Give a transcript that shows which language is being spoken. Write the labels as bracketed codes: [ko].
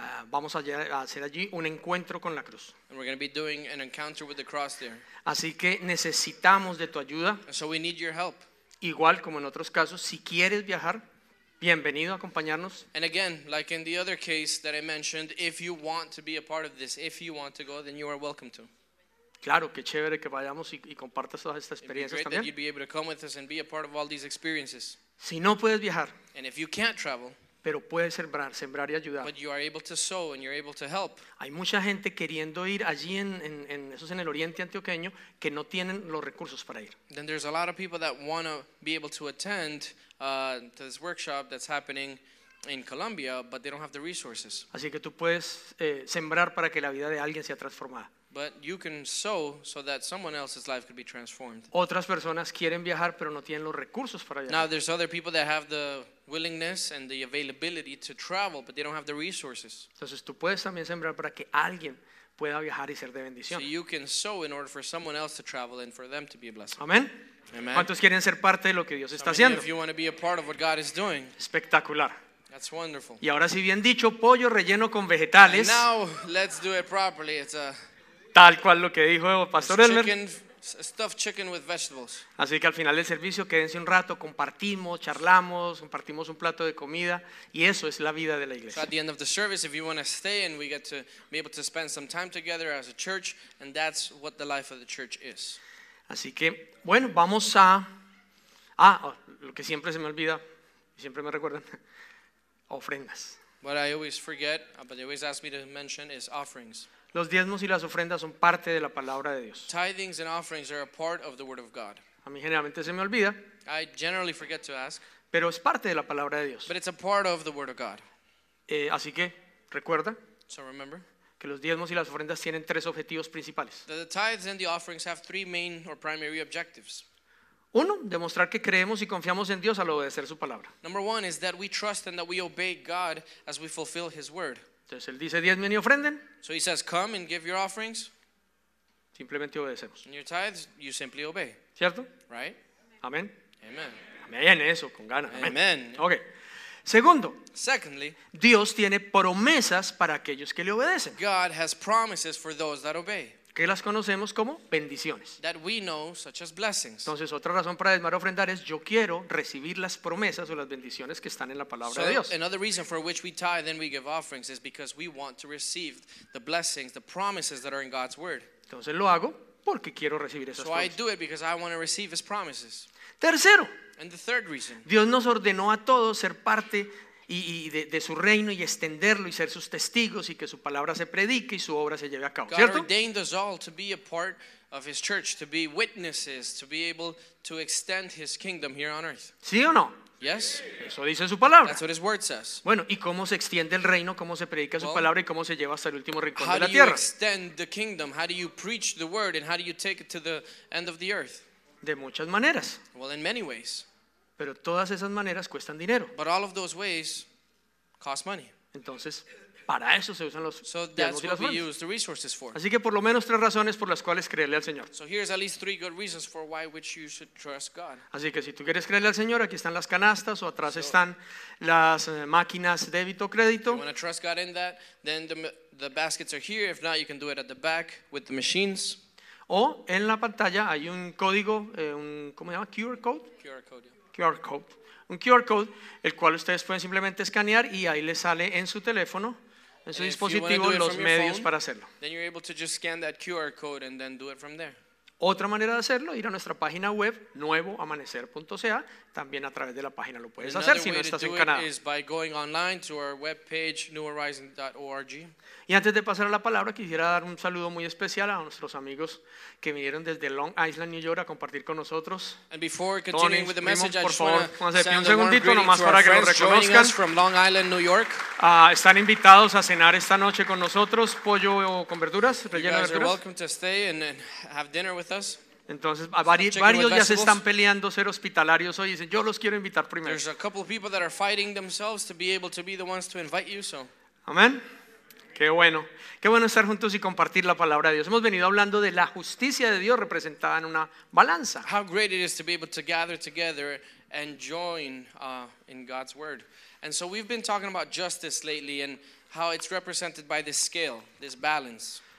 [es] Vamos a hacer allí un encuentro con la cruz. [en] And we're going to be doing an encounter with the cross there. [es] Así que necesitamos de tu ayuda. [en] So we need your help. [es] Igual como en otros casos, si quieres viajar, bienvenido a acompañarnos. [en] And again, like in the other case that I mentioned, if you want to be a part of this, if you want to go, then you are welcome to. [es] Claro, qué chévere que vayamos y compartas todas estas experiencias también. [en] It'd be great that you'd be able to come with us and be a part of all these experiences. [es] Si no puedes viajar, [en] and if you can't travel, [es] pero puedes sembrar y ayudar. [en] But you are able to sow and you're able to help. [es] Hay mucha gente queriendo ir allí en eso es en el oriente antioqueño que no tienen los recursos para ir. [en] Then there's a lot of people that want to be able to attend to this workshop that's happening in Colombia, but they don't have the resources. [es] Así que tú puedes sembrar para que la vida de alguien sea transformada. [en] But you can sow so that someone else's life could be transformed. [es] Otras personas quieren viajar pero no tienen los recursos para viajar. [en] Now there's other people that have the willingness and the availability to travel, but they don't have the resources. [es] Entonces tú puedes también sembrar para que alguien pueda viajar y ser de bendición. [en] So you can sow in order for someone else to travel and for them to be a blessing. [es] Amen. [en] Amen. [es] ¿Cuántos quieren ser parte de lo que Dios está haciendo? [en] If you want to be a part of what God is doing. [es] Espectacular. [en] That's wonderful. [es] Y ahora sí, bien dicho, pollo relleno con vegetales. [en] And now let's do it properly. It's a [es] tal cual lo que dijo el pastor Elmer. [en] Stuffed chicken with vegetables. [es] Así que al final del servicio quédense un rato, compartimos, charlamos, compartimos un plato de comida y eso es la vida de la iglesia. [en] So at the end of the service, if you want to stay and we get to be able to spend some time together as a church, and that's what the life of the church is. [es] Así que, bueno, vamos a lo que siempre se me olvida, siempre me recuerdan, ofrendas. [en] What I always forget, but they always ask me to mention, is offerings. [es] Los diezmos y las ofrendas son parte de la palabra de Dios. [en] Tithings and offerings are a part of the word of God. [es] A mí generalmente se me olvida. [en] I generally forget to ask. [es] Pero es parte de la palabra de Dios. [en] But it's a part of the word of God. [es] Así que, recuerda. [en] So remember. [es] Que los diezmos y las ofrendas tienen tres objetivos principales. [en] That the tithes and the offerings have three main or primary objectives. [es] Uno, demostrar que creemos y confiamos en Dios al obedecer su palabra. [en] Number one is that we trust and that we obey God as we fulfill his word. [es] Entonces él dice, diezmen y ofrenden. [en] So he says, come and give your offerings. [es] Simplemente obedecemos. [en] In your tithes, you simply obey. [es] ¿Cierto? [en] Right? [es] Amén. [en] Amen. [es] Amén, eso, con ganas. Amén. [en] Amen. [es] Okay. Segundo, [en] secondly, [es] Dios tiene promesas para aquellos que le obedecen. [en] God has promises for those that obey. [es] Que las conocemos como bendiciones. [en] That we know such as blessings. [es] Entonces, otra razón para desmar ofrendar es yo quiero recibir las promesas o las bendiciones que están en la palabra [en] so, [es] de Dios. [en] Another reason for which we tithe and we give offerings is because we want to receive the blessings, the promises that are in God's word. [es] Entonces lo hago porque quiero recibir esas [en] so [es] promesas. [en] So I do it because I want to receive his promises. [es] Tercero, [en] and the third reason, [es] Dios nos ordenó a todos ser parte y de su reino y extenderlo y ser sus testigos y que su palabra se predique y su obra se lleve a cabo, ¿cierto? [en] God ordained us all to be a part of his church, to be witnesses, to be able to extend his kingdom here on earth. [es] ¿Sí o no? [en] Yes. [es] Eso dice su palabra. [en] That's what his word says. [es] Bueno, ¿y cómo se extiende el reino? ¿Cómo se predica su palabra y cómo se lleva hasta el último rincón [en] how [es] de la tierra? [en] How do you extend the kingdom? How do you preach the word and how do you take it to the end of the earth? [es] De muchas maneras. [en] Well, in many ways. [es] Pero todas esas maneras cuestan dinero. [en] But all of those ways cost money. [es] Entonces, para eso se usan los [en] so that's what we use the resources for. [es] Así que por lo menos tres razones por las cuales creerle al Señor. [en] So here's at least three good reasons for why which you should trust God. [es] Así que si tú quieres creerle al Señor, aquí están las canastas o atrás están las máquinas débito crédito. [en] If you want to trust God in that, then the baskets are here. If not, you can do it at the back with the machines. [es] O en la pantalla hay un código, ¿cómo se llama? [en] QR code. QR code. Yeah. QR code. [es] Un QR code, el cual ustedes pueden simplemente escanear y ahí les sale en su teléfono, en su [en] and [es] dispositivo, los medios [en] phone, [es] para hacerlo. [en] Then you're able to just scan that QR code and then do it from there. [es] Otra manera de hacerlo, ir a nuestra página web, nuevoamanecer.ca, también a través de la página lo puedes hacer si no estás en Canadá. [en] Is by going online to our webpage, newhorizon.org. [es] Y antes de pasar a la palabra, quisiera dar un saludo muy especial a nuestros amigos que vinieron desde Long Island, New York, a compartir con nosotros. [en] And before continuing Tony, with the message, [es] por favor, pónganse de pie un segundito nomás para que lo reconozcan. [en] From Long Island, New York. [es] Están invitados a cenar esta noche con nosotros, pollo con verduras, relleno de verduras. [en] You're welcome to stay and have dinner with us. [es] Entonces, varios ya se están peleando ser hospitalarios hoy. Dicen, yo los quiero invitar primero. [en] There's a couple of people that are fighting themselves to be able to be the ones to invite you, so. [es] Amén. Qué bueno estar juntos y compartir la palabra de Dios. Hemos venido hablando de la justicia de Dios representada en una balanza. [en] How great it is to be able to gather together and join in God's word. And so we've been talking about justice lately and how it's represented by this scale, this balance.